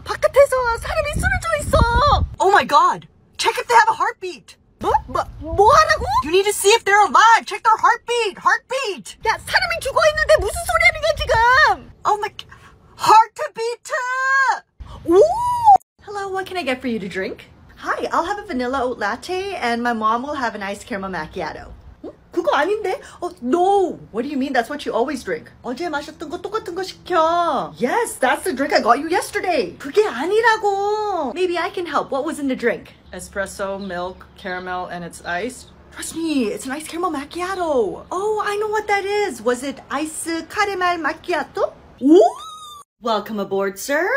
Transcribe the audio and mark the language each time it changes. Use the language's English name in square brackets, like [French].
[Korean] 바깥에서 사람이 술을 좀 있어. [English] Oh my God. Check if they have a heartbeat. [Korean] 뭐? 뭐 하라고? [English] You need to see if they're alive. Check their heartbeat. Heartbeat. [Korean] 야, 사람이 죽어 있는데 무슨 소리 하는 거야 지금? [English] Oh my God. Heartbeat! Ooh! Hello, what can I get for you to drink? Hi, I'll have a vanilla oat latte and my mom will have an iced caramel macchiato. [Korean] 그거 아닌데? [English] Oh, no! What do you mean? That's what you always drink. [Korean] 어제 마셨던 거 똑같은 거 시켜. [English] Yes, that's the drink I got you yesterday. [Korean] 그게 아니라고. [English] Maybe I can help. What was in the drink? Espresso, milk, caramel, and it's iced. Trust me, it's an iced caramel macchiato. Oh, I know what that is. Was it iced caramel macchiato? Ooh! Welcome aboard, sir.